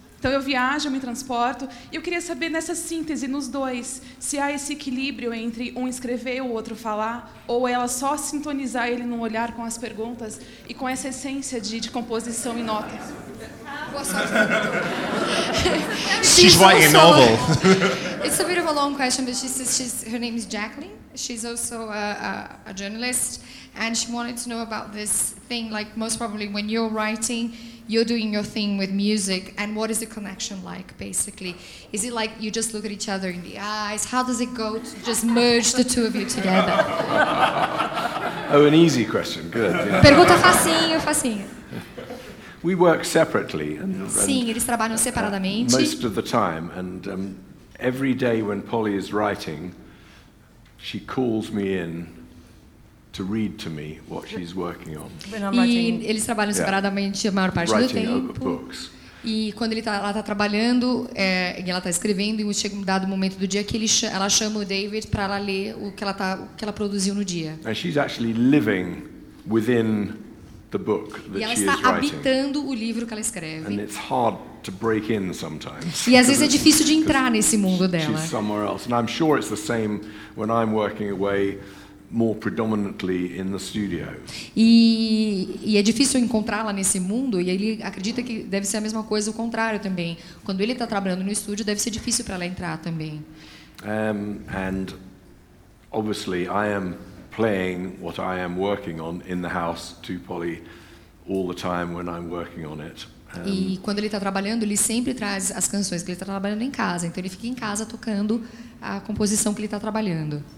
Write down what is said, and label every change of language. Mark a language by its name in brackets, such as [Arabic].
[Portuguese] Então eu viajo, eu me transporto, e eu queria saber nessa síntese, nos dois, se há esse equilíbrio entre um escrever e o outro falar, ou ela só sintonizar ele no olhar com as perguntas e com essa essência de composição e nota. [English] She's writing a novel. It's a bit of a long question, but she says her name is Jacqueline. She's also a journalist, and she wanted to know about this thing, like most probably when you're writing, you're doing your thing with music, and what is the connection like, basically? Is it like you just look at each other in the eyes? How does it go to just merge the two of you together? Oh, an easy question, good. [Portuguese] Yeah. Pergunta facinho, facinho. [English] We work separately. [Portuguese] Sim, eles trabalham separadamente. [English] Most of the time, and every day when Polly is writing, she calls me in to read to me what she's working on. Writing, [Portuguese] e eles trabalham separadamente a maior parte do tempo. E quando ela está trabalhando, e ela está escrevendo, e chega um dado momento do dia que ela chama o David para ela ler o que ela produziu no dia. [English] And she's actually living within the book that she is writing. [Portuguese] E ela está habitando o livro que ela escreve. [English] And it's hard to break in sometimes. [Portuguese] E às vezes é difícil de entrar nesse mundo dela. [English] She's somewhere else, and I'm sure it's the same when I'm working away more predominantly in the studio. [Portuguese] E é difícil encontrá-la nesse mundo, e ele acredita que deve ser a mesma coisa o contrário também. Quando ele está trabalhando no estúdio, deve ser difícil para ela entrar também. [English] And obviously I am playing what I am working on in the house to Polly all the time when I'm working on it. [Portuguese] E quando ele está trabalhando, ele sempre traz as canções que ele está trabalhando em casa. Então ele fica em casa tocando a composição que ele está trabalhando.